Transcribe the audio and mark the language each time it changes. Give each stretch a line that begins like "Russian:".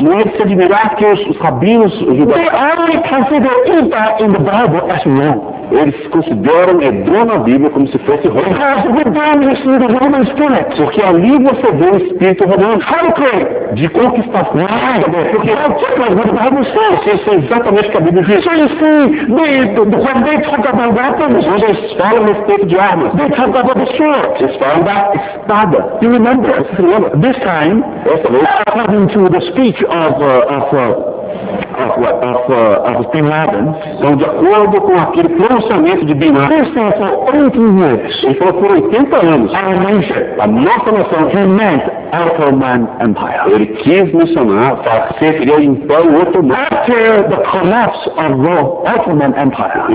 Portuguese: Não é de se admirar que os rabinos judaicos.
English: They only consider Edom in the Bible as Rome.
Portuguese: Eles consideram Edom na Bíblia como se fosse Roma.
English: Because with them you see the Roman spirit.
Portuguese: Porque ali você vê o espírito romano.
English: Conquering.
Portuguese: De conquistação.
English: Why?
Portuguese: Porque
English: how different what the Bible says.
Portuguese: Isso é exatamente o que a Bíblia diz.
English: So you see, when they talk about weapons.
Portuguese: Quando eles falam respeito de armas.
English: They talk about the sword.
Portuguese: Eles falam da espada.
English: You remember?
Portuguese: Você se lembra?
English: This time, according to the speech of Bin Laden.
Portuguese: Então, de acordo com aquele pronunciamento de Bin Laden.
English: This time, for 18 years.
Portuguese: Ele falou por 80 anos.
English: Our nation.
Portuguese: A nossa nação.
English: He meant Ottoman Empire.
Portuguese: Ele quis mencionar, para ser que ele impõe o Ottoman.
English: After the collapse of the Ottoman Empire.